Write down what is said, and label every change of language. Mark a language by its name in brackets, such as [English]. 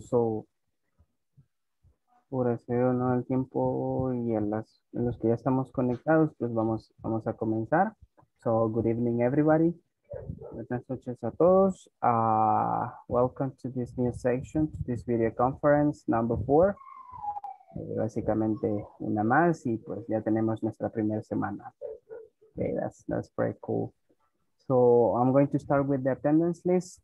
[Spanish] So, por hacer o no el tiempo y en los que ya estamos conectados, pues vamos a comenzar. [English] So, good evening, everybody. [Spanish] Buenas noches a todos. [English] Welcome to this new section, to this video conference number 4. [Spanish] Básicamente una más y pues ya tenemos nuestra primera semana. [English] Okay, that's pretty cool. So I'm going to start with the attendance list.